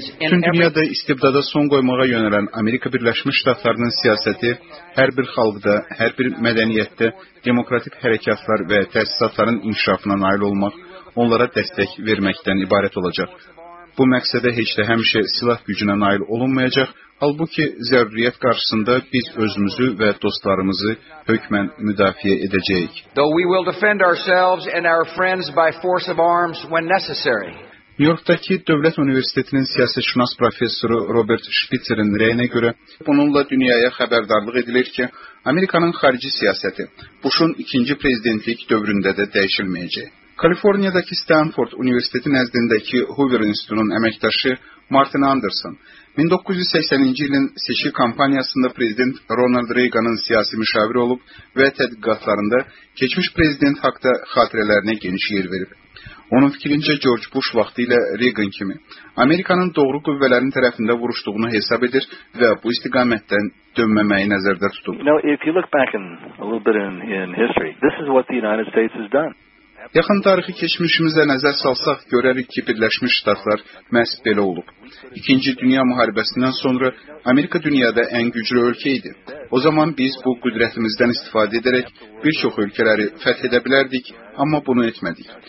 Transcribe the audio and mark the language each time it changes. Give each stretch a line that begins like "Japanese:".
Azerbaijani: Tüm dünyada istibdada son qoymağa yönələn Amerika Birləşmiş Ştatlarının siyasəti hər bir xalqda, hər bir mədəniyyətdə demokratik hərəkatlar və təsisatların inkişafına nail olmaq, onlara dəstək verməkdən ibarət olacaq. Bu məqsədə heç də həmişə silah gücünə nail olunmayacaq, halbuki zəruriyyət qarşısında biz özümüzü və dostlarımızı hökmən müdafiə edəcəyik.
English: Though we will defend ourselves and our friends by force of arms when necessary.
Azerbaijani: New York'taki Dövlət Universitetinin siyasətşünas professoru Robert Spitzer'in rəyinə görə bununla dünyaya xəbərdarlıq edilir ki, Amerikanın xarici siyasəti Bush'un ikinci prezidentlik dövründə də dəyişilməyəcək. Kaliforniyadakı Stanford Universiteti nəzdindəki Hoover İnstitutunun əməkdaşı Martin Anderson 1980-ci ilin seçki kampaniyasında prezident Ronald Reagan'ın siyasi müşaviri olub və tədqiqatlarında keçmiş prezident haqda xatirələrinə geniş yer verib. Onun fikrincə George Bush vaxtilə Reagan kimi Amerikanın doğru qüvvələrin tərəfində vuruşduğunu hesab edir və bu istiqamətdən dönməməyi nəzərdə tutub.
English: Now, if you look back in, a little bit in history, this is what the United States has done.
Azerbaijani: Yaxın tarixi keçmişimizə nəzər salsaq, görərik ki, Birləşmiş Ştatlar məhz belə olub. İkinci Dünya müharibəsindən sonra Amerika dünyada ən güclü ölkə idi. O zaman biz bu qüdrətimizdən istifadə edərək bir çox ölkələri fəth edə bilərdik, amma bunu etmədik.